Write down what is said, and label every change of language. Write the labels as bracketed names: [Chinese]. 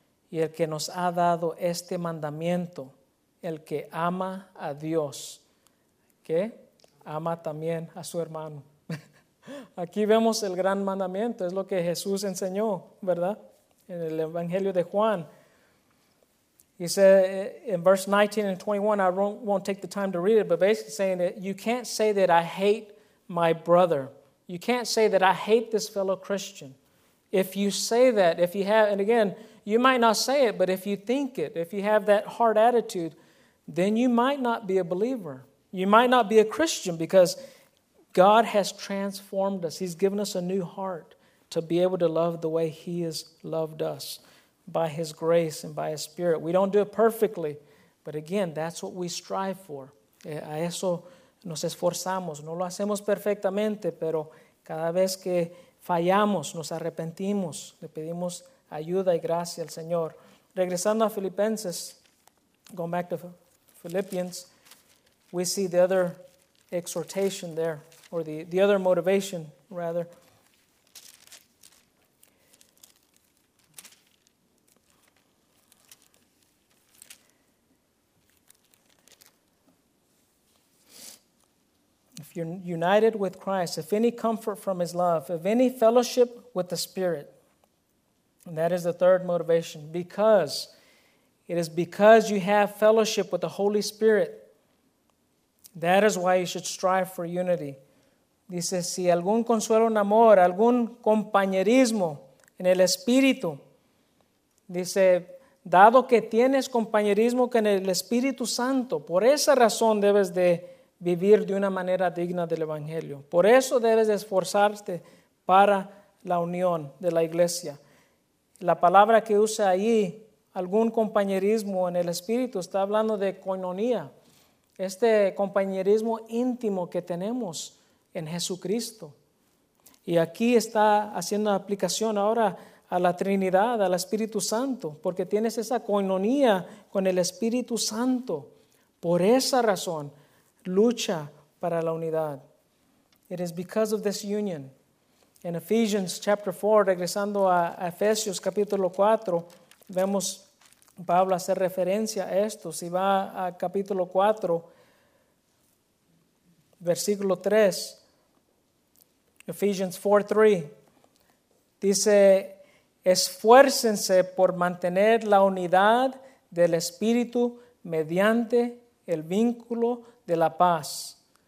[Spanish] Y el que nos ha dado este mandamiento, el que ama a Dios, ¿qué? Ama también a su hermano. Aquí vemos el gran mandamiento, es lo que Jesús enseñó, ¿verdad? En el Evangelio de Juan. [English] He said in verse 19 and 21, I won't take the time to read it, but basically saying that you can't say that I hate my brother. You can't say that I hate this fellow Christian. If you say that, if you have, and again, you might not say it, but if you think it, if you have that hard attitude, then you might not be a believer. You might not be a Christian because God has transformed us. He's given us a new heart to be able to love the way He has loved us by His grace and by His Spirit. We don't do it perfectly, but again, that's what we strive for. [Spanish] A eso nos esforzamos. No lo hacemos perfectamente, pero cada vez que fallamos, nos arrepentimos, le pedimos ayuda y gracia al Señor. Regresando a Filipenses, [English] going back to Philippians, we see the other exhortation there, or the other motivation, rather. If you're united with Christ, if any comfort from His love, if any fellowship with the Spirit, and that is the third motivation. Because it is because you have fellowship with the Holy Spirit. That is why you should strive for unity. [Spanish] Dice, si algún consuelo en amor, algún compañerismo en el Espíritu. Dice, dado que tienes compañerismo con el Espíritu Santo, por esa razón debes de vivir de una manera digna del Evangelio. Por eso debes de esforzarte para la unión de la iglesia. La palabra que usa ahí, algún compañerismo en el Espíritu, está hablando de koinonía. Este compañerismo íntimo que tenemos en Jesucristo. Y aquí está haciendo aplicación ahora a la Trinidad, al Espíritu Santo. Porque tienes esa koinonía con el Espíritu Santo. Por esa razón, lucha para la unidad. [English] It is because of this union. In Ephesians chapter 4, [Spanish] regresando a Efesios capítulo 4, vemos Pablo hacer referencia a esto. Si va a capítulo 4, versículo 3, Ephesians 4:3, dice, esfuércense por mantener la unidad del Espíritu mediante el vínculo de la paz.